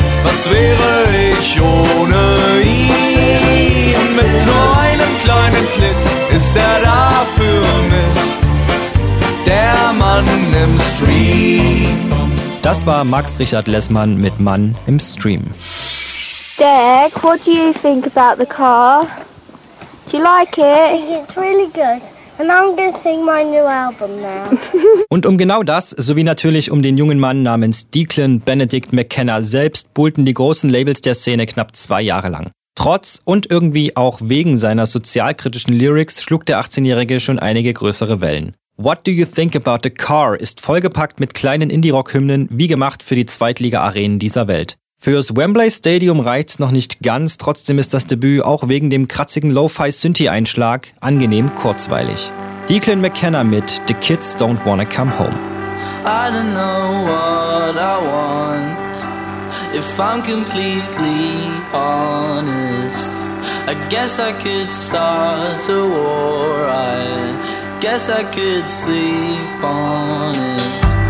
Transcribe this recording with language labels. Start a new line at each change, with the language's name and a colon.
German: Was wäre ich ohne ihn? Mit nur einem kleinen Klick ist er da für mich, der Mann im Stream. Das war Max Richard Lessmann mit Mann im Stream.
English: Dad, what do you think about the car? Do you like it? I think it's really good. And I'm gonna sing my new album now.
German: Und um genau das, sowie natürlich um den jungen Mann namens Declan Benedict McKenna selbst, buhlten die großen Labels der Szene knapp 2 Jahre lang. Trotz und irgendwie auch wegen seiner sozialkritischen Lyrics schlug der 18-Jährige schon einige größere Wellen. What Do You Think About The Car ist vollgepackt mit kleinen Indie-Rock-Hymnen, wie gemacht für die Zweitliga-Arenen dieser Welt. Fürs Wembley Stadium reicht's noch nicht ganz, trotzdem ist das Debüt auch wegen dem kratzigen Lo-Fi-Synthie-Einschlag angenehm kurzweilig. Declan McKenna mit The Kids Don't Wanna Come Home.
English: I don't know what I want, if I'm completely honest. I guess I could start a war, I guess I could sleep on it.